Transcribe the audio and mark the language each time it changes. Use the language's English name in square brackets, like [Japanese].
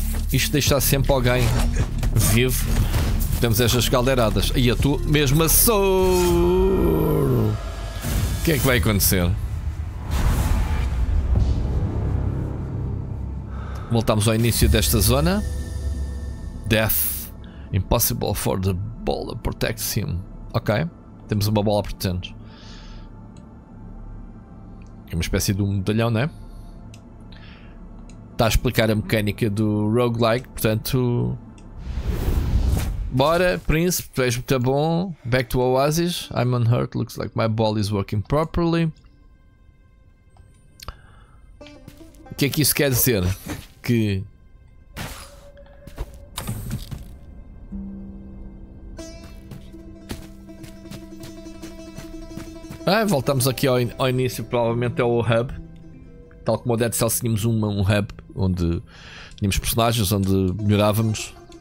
[Portuguese] Isto deixa sempre alguém vivo. Temos estas caldeiradas. E a tu mesmo assou. O que é que vai acontecer? Voltamos ao início desta zona. [English] Death. Impossible for the ball that protects him. [Portuguese] Ok. Temos uma bola protegendo. É uma espécie de um medalhão, não é? Está a explicar a mecânica do roguelike, portanto... Bora, príncipe, tu és muito bom. [English] Back to Oasis. I'm unhurt, looks like my ball is working properly. [Portuguese] O que é que isso quer dizer? Que... Ah, voltamos aqui ao início, provavelmente é o hub. Tal como o Dead Cell, tínhamos um hub onde tínhamos personagens, onde melhorávamos.